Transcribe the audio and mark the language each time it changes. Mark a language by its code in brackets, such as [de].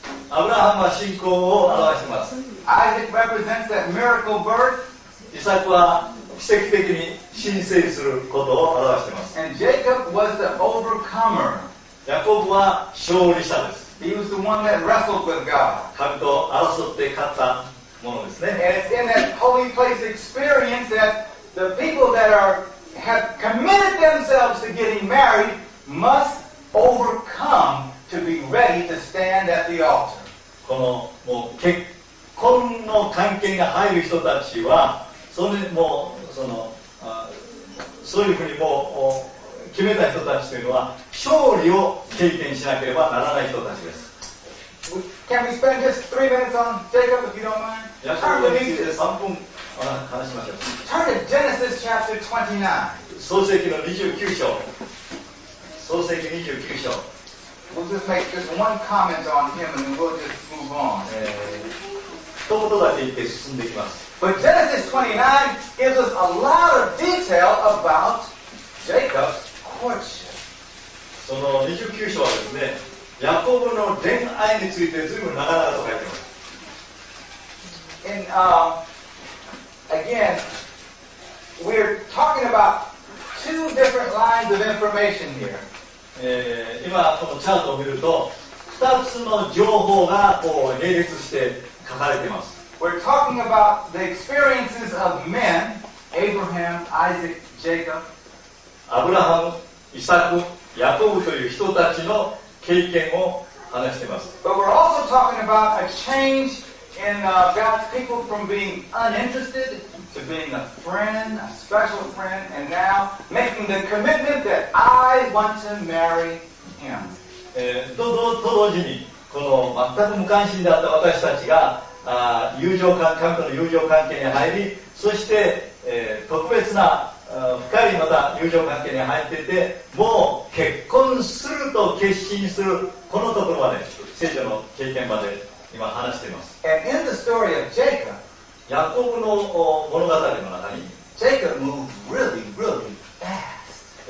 [ja] アブラハムは信仰を表しています。 [en] Isaac represents that miracle birth. [ja] イサクは奇跡的に神聖することを表しています。 [en] And Jacob was the overcomer. [ja] ヤコブは勝利者です。 [en] He was the one that wrestled with God. [ja] 神と争って勝ったものですね。 [en] And it's in that holy place experience that the people that have committed themselves to getting married must overcome to be ready to stand at the altar. [ja] このもう結婚の関係が入る人たちは、それもうそのそういうふうにもう決めた人たちというのは勝利を経験しなければならない人たちです。 [en] Can we spend just three minutes on Jacob if you don't mind? [ja] ヤコブについて3分話しましょう。 [en] Turn to Genesis chapter 29. [ja] 創世記の29章。創世記29章。 [en] We'll just make just one comment on him and we'll just move on. [ja] 一言だけ言って進んでいきます。 [en] But Genesis 29 gives us a lot of detail about Jacob's courtship. [ja] その29章はですね、ヤコブの恋愛についてずいぶん長々と書いてます。 [en] And again, we're talking about two different lines of information here. [ja] 今このチャートを見ると、2つの情報がこう並列して書かれています。 [en] We're talking about the experiences of men, Abraham, Isaac, Jacob. [ja] アブラハム、イサク、ヤコブという人たちの経験を話しています。 [en] But we're also talking about a change in God's people from being uninterested to being a friend, a special friend, and now making the commitment that I want to marry him. [ja] と同時に、この全く無関心であった私たちが、友情関係、神との友情関係に入り、そして、特別な、深いまた友情関係に入っていて、もう結婚すると決心するこのところまで、聖書の経験まで今話しています。 [en] And in the story of Jacob, [ja] ヤコブの物語の中に、 [en] Jacob moved really, really fast.